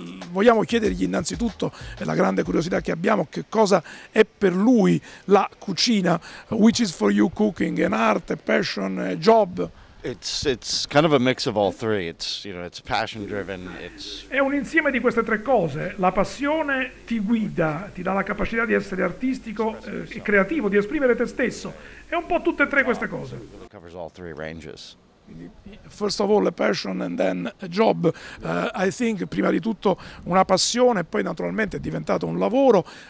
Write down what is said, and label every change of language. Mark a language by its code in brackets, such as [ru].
[it] Vogliamo chiedergli innanzitutto, è la grande curiosità che abbiamo, che cosa è per lui la cucina. [en] Which is for you cooking, an art, a passion, a job? It's kind of a mix of all three. It's passion driven. [it] È un insieme di queste tre cose. La passione ti guida, ti dà la capacità di essere artistico e creativo, di esprimere te stesso. È un po' tutte e tre queste cose. [en] It covers all three ranges. First of all a passion and then a job. I think [it] prima di tutto una passione e poi naturalmente è diventato un lavoro.